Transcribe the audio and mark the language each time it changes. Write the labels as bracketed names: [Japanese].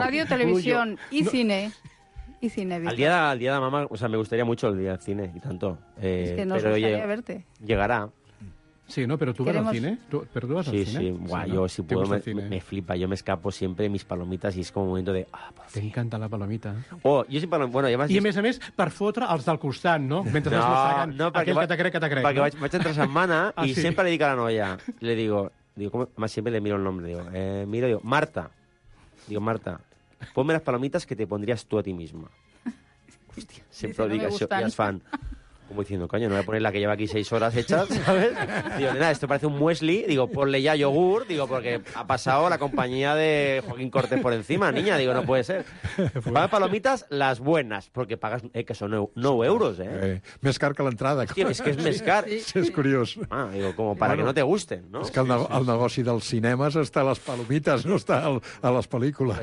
[Spanish] Radio, televisión y cine. Y cine, al día de mamá, o sea, me gustaría mucho el día de cine y tanto. Es que nos gustaría verte. Llegará. Sí, ¿no? Pero tú vas al cine. ¿Tú vas al cine? Guau, sí, sí. Yo si puedo me flipa. Yo me escapo siempre de mis palomitas y es como un momento de... Ah, te encanta la palomita. Oh, yo sí palomita. Bueno, [Catalan] y a més, per fotre els del costat, ¿no? Mentre no, no, aquell que te crec, que te crec. Perquè no? vaig entre setmana ah, i sí. Sempre li dic a la noia. [Spanish] Le digo... Además, siempre le miro el nombre. Digo, miro, digo, Marta. Digo, Marta, ponme las palomitas que te pondrías tú a ti misma. Hostia, siempre lo digo así. Y es fan. Como diciendo, coño, no voy a poner la que lleva aquí 6 horas hechas, ¿sabes? Digo, nada, esto parece un muesli. Digo, ponle ya yogur. Digo, porque ha pasado la compañía de Joaquín Cortés por encima, niña. Digo, no puede ser. Ponme palomitas, las buenas. Porque pagas, que son 9 euros, ¿eh? [Catalan] Més car que l'entrada. Hòstia, és que és més car. Sí, és curiós. [Spanish] Ah, digo, como para bueno, que no te gusten, ¿no? [Catalan] És que el negoci dels cinemes està a les palomitas, no està a les pel·lícules.